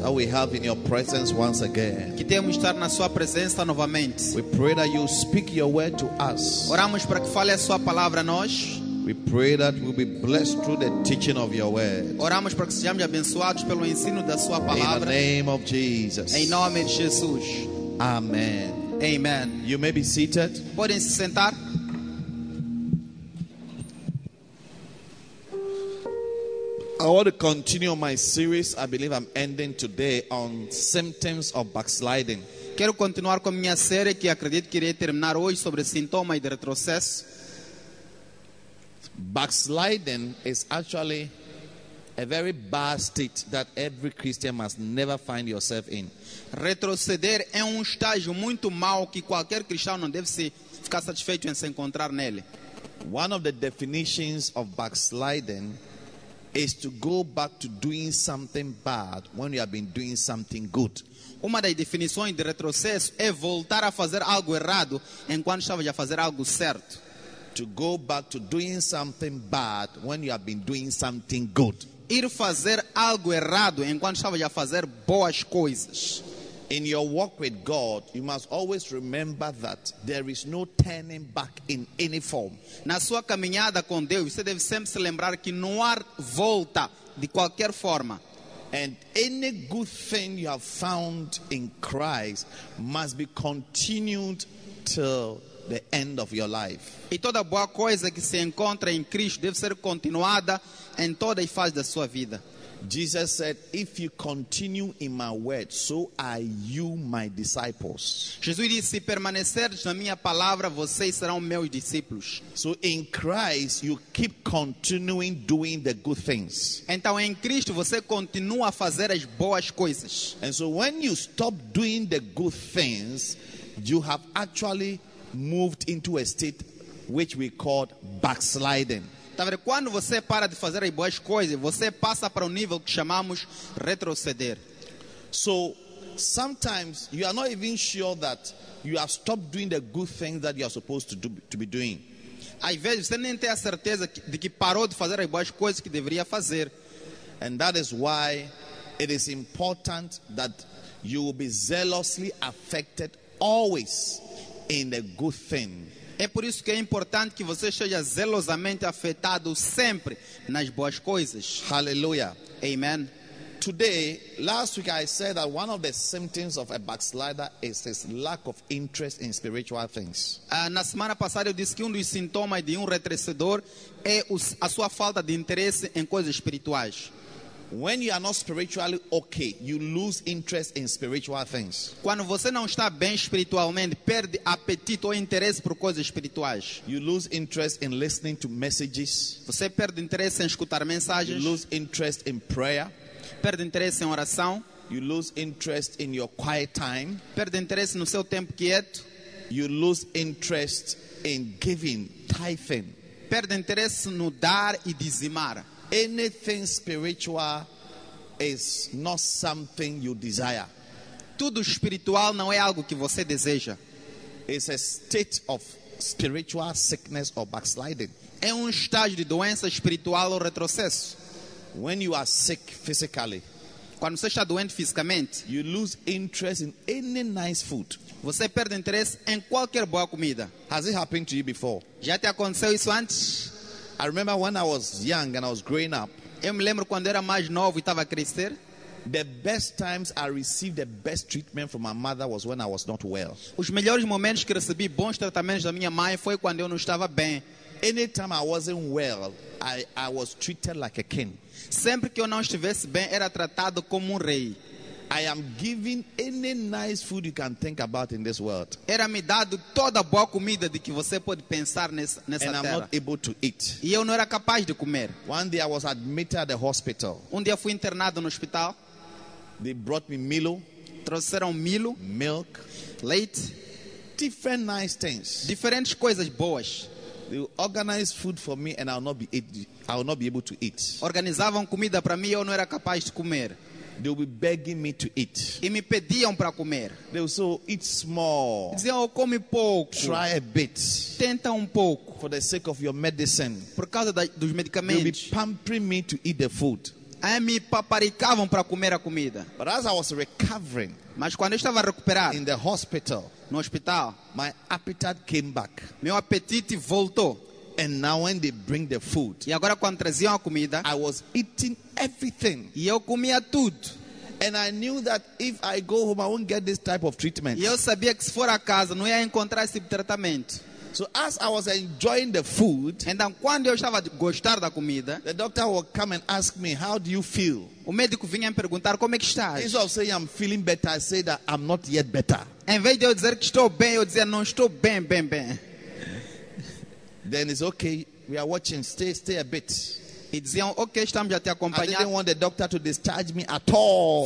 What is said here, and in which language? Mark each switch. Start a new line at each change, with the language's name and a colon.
English: That we have in your presence once again.
Portuguese: Que temos estar na sua presença novamente.
English: We pray that you speak your word to us.
Portuguese: Oramos para que fale a sua palavra a nós.
English: We pray that we'll be blessed through the teaching of your word.
Portuguese: Oramos para que sejamos abençoados pelo ensino da sua palavra.
English: In the name of Jesus.
Portuguese: Em nome de Jesus.
English: Amen.
Portuguese: Amen.
English: You may be seated.
Portuguese: Podem se sentar.
English: I want to continue my series. I believe I'm ending today on symptoms of backsliding.
Portuguese: Quero continuar com a minha série que acredito que irei terminar hoje sobre sintomas de retrocesso.
English: Backsliding is actually a very bad state that every Christian must never find yourself in.
Portuguese: Retroceder é um estágio muito mau que qualquer cristão não deve se ficar satisfeito em se encontrar nele.
English: One of the definitions of backsliding is to go back to doing something bad when you have been doing something good.
Portuguese: Uma das definições de retrocesso é voltar a fazer algo errado enquanto estava a fazer algo certo.
English: To go back to doing something bad when you have been doing something good.
Portuguese: Ir fazer algo errado enquanto estava a fazer boas coisas.
English: In your walk with God, you must always remember that there is no turning back in any form.
Portuguese: Na sua caminhada com Deus, você deve sempre se lembrar que não há volta de qualquer forma.
English: And any good thing you have found in Christ must be continued till the end of your life.
Portuguese: E toda boa coisa que se encontra em Cristo deve ser continuada em toda a fase da sua vida.
English: Jesus said, if you continue in my word, so are you my disciples.
Portuguese: Jesus disse, se permanecerdes na minha palavra, vocês serão meus discípulos.
English: So in Christ, you keep continuing doing the good things.
Portuguese: Então em Cristo, você continua a fazer as boas coisas.
English: And so when you stop doing the good things, you have actually moved into a state which we called backsliding.
Portuguese: Tá vendo? Quando você para de fazer as boas coisas, você passa para um nível que chamamos retroceder.
English: So, sometimes you are not even sure that you have stopped doing the good things that you are supposed to be doing.
Portuguese: Às vezes você nem tem a certeza de que parou de fazer as boas coisas que deveria fazer.
English: And that is why it is important that you will be zealously affected always in the good thing.
Portuguese: É por isso que é importante que você seja zelosamente afetado sempre nas boas coisas.
English: Hallelujah.
Portuguese: Amen.
English: Today, last week I said that one of the symptoms of a backslider is his lack of interest in spiritual things.
Portuguese: Na semana passada eu disse que um dos sintomas de um retrocedor é a sua falta de interesse em coisas espirituais.
English: When you are not spiritually okay, you lose interest in spiritual things.
Portuguese: Quando você não está bem espiritualmente, perde apetite ou interesse por coisas espirituais.
English: You lose interest in listening to messages.
Portuguese: Você perde interesse em escutar mensagens.
English: You lose interest in prayer.
Portuguese: Perde interesse em oração.
English: You lose interest in your quiet time.
Portuguese: Perde interesse no seu tempo quieto.
English: You lose interest in giving, tithing.
Portuguese: Perde interesse no dar e dizimar.
English: Anything spiritual is not something you desire.
Portuguese: Tudo espiritual não é algo que você deseja.
English: It's a state of spiritual sickness or backsliding.
Portuguese: É estágio de doença espiritual ou retrocesso.
English: When you are sick physically,
Portuguese: quando você está doente fisicamente,
English: you lose interest in any nice food.
Portuguese: Você perde interesse em qualquer boa comida.
English: Has it happened to you before?
Portuguese: Já te aconteceu isso antes?
English: I remember when I was young and I was growing up.
Portuguese: Eu me lembro quando era mais novo e estava a crescer.
English: The best times I received the best treatment from my mother was when I was not well.
Portuguese: Os melhores momentos que recebi bons tratamentos da minha mãe foi quando eu não estava bem.
English: Anytime I wasn't well, I was treated like a king.
Portuguese: Sempre que eu não estivesse bem, era tratado como rei.
English: I am given any nice food you can think about in this world.
Portuguese: Era me dado toda boa comida de que você pode pensar nessa terra.
English: And I'm not able to eat.
Portuguese: E eu não era capaz de comer.
English: One day I was admitted at the hospital.
Portuguese: Dia fui internado no hospital.
English: They brought me Milo.
Portuguese: Trouxeram Milo.
English: Milk.
Portuguese: Leite.
English: Different nice things.
Portuguese: Diferentes coisas boas.
English: They organized food for me and I will not be able to eat.
Portuguese: Organizavam comida para mim e eu não era capaz de comer.
English: They will be begging me to eat.
Portuguese: E me pediam para comer.
English: They will say, eat small.
Portuguese: Diziam, come pouco.
English: Try a bit.
Portuguese: Tenta pouco.
English: For the sake of your medicine.
Portuguese: Por causa dos medicamentos.
English: They will be pampering me to eat the food.
Portuguese: Aí me paparicavam para comer a comida.
English: But as I was recovering.
Portuguese: Mas quando eu estava a recuperar.
English: In the hospital.
Portuguese: No hospital.
English: My appetite came back.
Portuguese: Meu apetite voltou.
English: And now when they bring the food.
Portuguese: E agora quando traziam a comida.
English: I was eating everything.
Portuguese: E eu comia tudo.
English: And I knew that if I go home I won't get this type of treatment.
Portuguese: E eu sabia que se for a casa não ia encontrar esse tratamento.
English: So as I was enjoying the food.
Portuguese: Então quando eu estava a gostar da comida.
English: The doctor would come and ask me, how do you feel?
Portuguese: O médico vinha me perguntar, como é que estás?
English: Instead of saying I'm feeling better, I say that I'm not yet better.
Portuguese: Em vez de eu dizer que estou bem, eu dizia, não estou bem, bem, bem.
English: Then it's okay, we are watching, stay a bit.
Portuguese: E diziam, ok, estamos a te acompanhar.
English: I didn't want the doctor to discharge me at all.